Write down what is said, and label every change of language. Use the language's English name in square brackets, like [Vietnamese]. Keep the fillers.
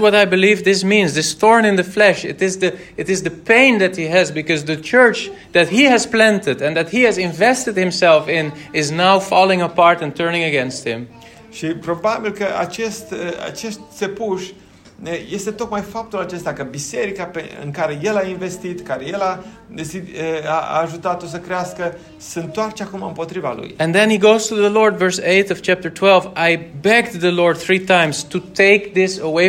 [English] what I believe this means. This thorn in the flesh, it is the it is the pain that he has because the church that he has planted and that he has invested himself in is now falling apart and turning against him. [Romanian] Și probabil că acest acest țepuș este tocmai faptul acesta că biserica pe, în care el a investit, care el a, a, a ajutat-o să crească, se întoarce acum împotriva lui. [English] And then he goes to the Lord, verse 8 of chapter 12, I begged the Lord three times to take this away